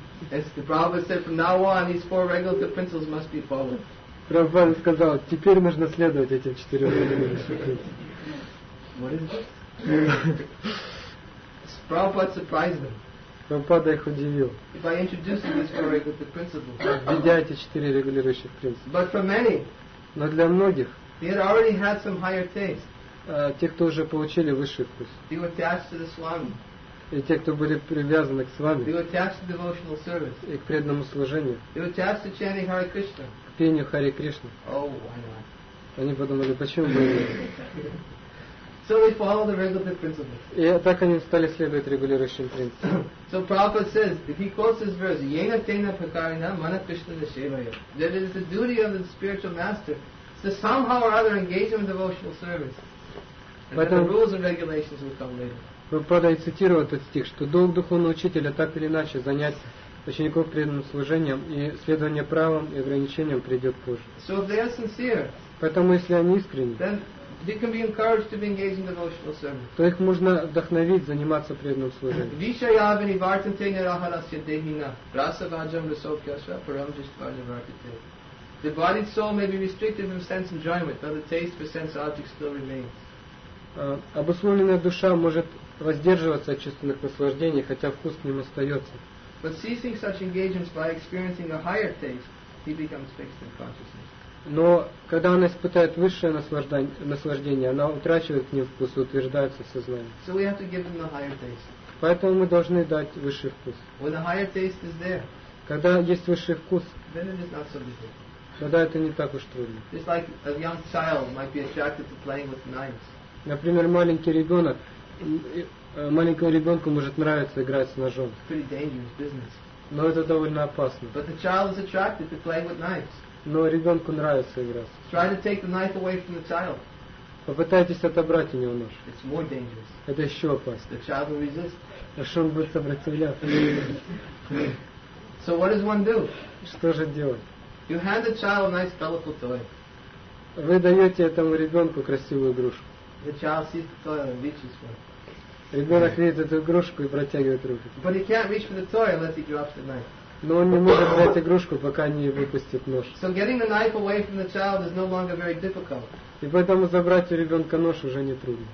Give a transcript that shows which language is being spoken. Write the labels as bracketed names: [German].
[English] As the Prabhupada said, from now on, these four regulative principles must be followed. [Russian] Прабхупада сказал, теперь нужно следовать этим четырем регулирующим принципам. [English] What is this? Прабхупада surprised them. [Russian] Прабхупада их удивил. [English] If I introduce this regulative principle, [Russian] введя эти четыре регулирующих принципа. [English] But for many, [Russian] но для многих, [English] they had already had some higher taste. [Russian] Те, кто уже получили высший вкус. [English] They were attached to the Swami. [Russian] И те, кто были привязаны к Свами. [English] They were attached to devotional service. [Russian] И к преданному служению. [English] They were attached to chanting Hare Krishna. [Russian] К пению Харе Кришны. [English] Oh, why not? [Russian] Они подумали, почему бы нет? [English] So they follow the regulative principles. [Russian] И так они стали следовать регулирующим принципам. [English] So Prabhupada says, if he quotes this verse, [Sanskrit] yena tena prakarina mana krishna na shevaya, [English] that it is the duty of the spiritual master to somehow or other engage him in devotional service. And then the rules and regulations will come later. [Russian] Прабхупада и цитировал этот стих, что долг духовного учителя так или иначе занять учеников преданным служением и следование правилам и ограничениям придет позже. [English] So if they are sincere, [Russian] поэтому если они искренни, [English] then they can be encouraged to be engaged in devotional service. [Russian] То их можно вдохновить заниматься преданным служением. [Sanskrit] Вишаяабини вартанте нирахарасья дехина расаваджам рисовкяша парамджиштваджа вартите. [English] The bodied soul may be restricted from sense enjoyment, but the taste for sense objects still remains. [Russian] Обусловленная душа может воздерживаться от чувственных наслаждений, хотя вкус к ним остается. [English] But ceasing such engagements by experiencing a higher taste, he becomes fixed in consciousness. [Russian] Но когда она испытает высшее наслаждение, она утрачивает к ним вкус и утверждается в сознании. [English] So we have to give him the higher taste. [Russian] Поэтому мы должны дать высший вкус. [English] When the higher taste is there, [Russian] когда есть высший вкус, [English] then it is not so difficult. [Russian] Тогда это не так уж трудно. [English] Just like a young child might be attracted to playing with knives. [Russian] Например, маленькому ребенку может нравиться играть с ножом. [English] It's pretty dangerous business. [Russian] Но это довольно опасно. [English] But the child is attracted to playing with knives. [Russian] Но ребенку нравится играть. [English] Try to take the knife away from the child. [Russian] Попытайтесь отобрать у него нож. [English] It's more dangerous. [Russian] Это еще опасно. [English] The child will resist. [Russian] А что он будет сопротивляться? [English] So what does one do? [Russian] Что же делать? [English] You hand the child a nice colorful toy. [Russian] Вы даете этому ребенку красивую игрушку. [English] The child sees the toy and reaches for it. [Russian] Ребенок видит эту игрушку и протягивает руку. [English] But he can't reach for the toy unless he drops the knife. [Russian] Но он не может взять игрушку, пока не выпустит нож. [English] So getting the knife away from the child is no longer very difficult. [Russian] И поэтому забрать у ребенка нож уже не трудно.